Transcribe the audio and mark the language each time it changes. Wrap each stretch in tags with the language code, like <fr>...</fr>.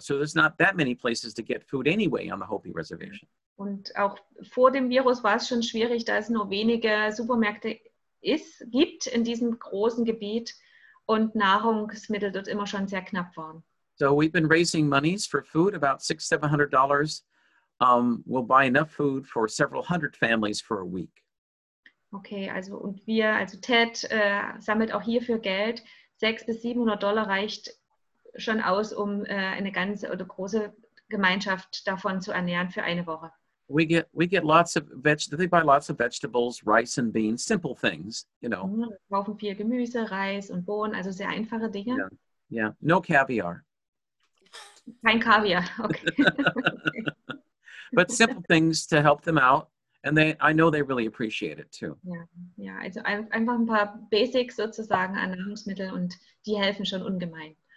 <en>So there's not that many places to get food anyway on the Hopi reservation.</en> <de>Und auch vor dem Virus war es schon schwierig, da es nur wenige Supermärkte gibt in diesem großen Gebiet und Nahrungsmittel dort immer schon sehr knapp waren.</de> <en>So we've been raising monies for food, about $600-$700. We'll buy enough food for several hundred families for a week.</en> <de>Okay, also und wir, also Ted sammelt auch hierfür Geld. $600 bis $700 reicht schon aus, um eine ganze oder große Gemeinschaft davon zu ernähren für eine Woche.</de> <en>We get lots of vegetables. They buy lots of vegetables, rice and beans, simple things, you know.</en> <de>Wir kaufen viel Gemüse, Reis und Bohnen, also sehr einfache Dinge.</de> <en>Yeah, yeah. No caviar.</en> <de>Kein Kaviar, okay.</de> <en>But simple things to help them out, and I know they really appreciate it too. Yeah, yeah.</en> <de>Also einfach ein paar Basics sozusagen an Nahrungsmitteln, und die helfen schon ungemein.</de>